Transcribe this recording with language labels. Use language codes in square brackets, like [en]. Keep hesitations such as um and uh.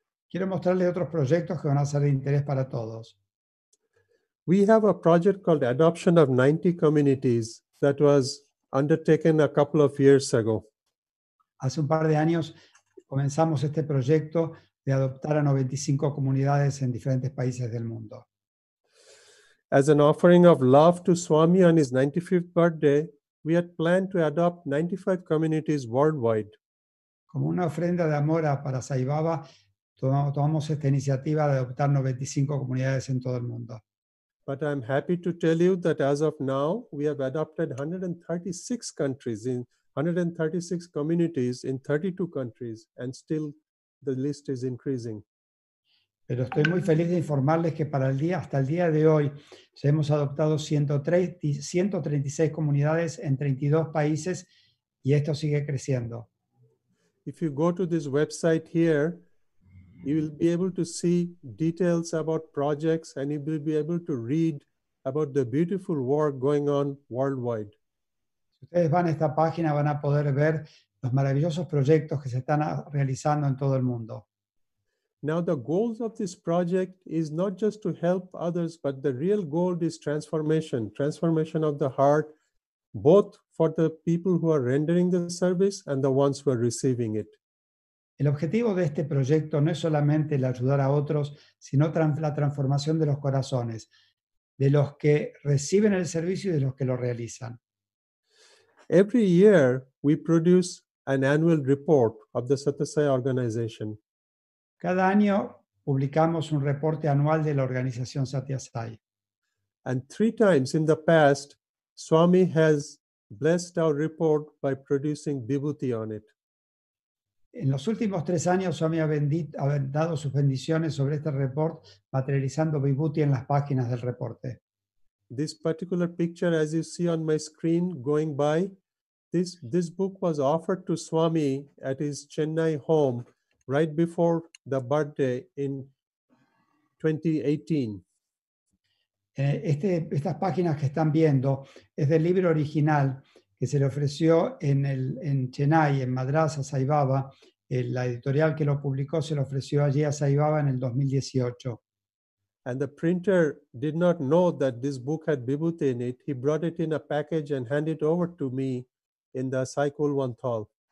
[es] Quiero mostrarles otros proyectos que van a ser de interés para todos. [en] We have a project called Adoption of 90 Communities that was undertaken a couple of years ago. [es] Hace un par de años comenzamos este proyecto de adoptar a 95 comunidades en diferentes países del mundo. [en] As an offering of love to Swami on his 95th birthday, we had planned to adopt 95 communities worldwide. [es] Como una ofrenda de amor a, para Saibaba, tomamos, tomamos esta iniciativa de adoptar 95 comunidades en todo el mundo. [en] But I'm happy to tell you that as of now, we have adopted 136 countries in 136 communities in 32 countries, and still the list is increasing. [es] Pero estoy muy feliz de informarles que para el día, hasta el día de hoy ya hemos adoptado 103 y 136 comunidades en 32 países y esto sigue creciendo. [en] If you go to this website here, you will be able to see details about projects and you will be able to read about the beautiful work going on worldwide. [es] Si ustedes van a esta página van a poder ver los maravillosos proyectos que se están ah, realizando en todo el mundo. [en] Now, the goals of this project is not just to help others, but the real goal is transformation, transformation of the heart, both for the people who are rendering the service and the ones who are receiving it. [es] El objetivo de este proyecto no es solamente el ayudar a otros, sino tran- la transformación de los corazones, de los que reciben el servicio y de los que lo realizan. [en] Every year, we produce an annual report of the Satasai organization. [es] Cada año publicamos un reporte anual de la organización Satyasai. [en] And three times in the past, Swami has blessed our report by producing vibhuti on it. [es] En los últimos tres años, Swami ha, bendit- ha dado sus bendiciones sobre este report, materializando Vibhuti en las páginas del reporte. [en] This particular picture, as you see on my screen going by, this, this book was offered to Swami at his Chennai home right before the birthday in 2018. [es] Eh, este- estas páginas que están viendo es del libro original que se le ofreció en, el, en Chennai, en Madras, a Sai Baba. Eh, la editorial que lo publicó se lo ofreció allí a Sai Baba en el 2018. [en] And the printer did not know that this book had Vibhuti in it. He brought it in a package and handed it over to me in the Saikul Wanthal.